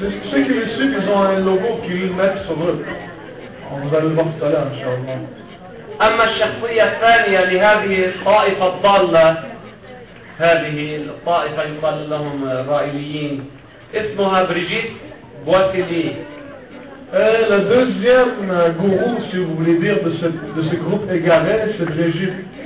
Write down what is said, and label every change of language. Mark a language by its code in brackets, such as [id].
[fr] ceux qui le suivent, ils ont un logo qu'ils mettent sur eux. On vous allez le voir tout à l'heure, inshallah. [ar] أما الشخصية الثانية لهذه الطائفة الضالة، هذه الطائفة يقال لهم رائليين، اسمها بريجيت بواتيلي. [fr] La deuxième gourou, si vous voulez dire, de ce groupe égaré, c'est Brigitte.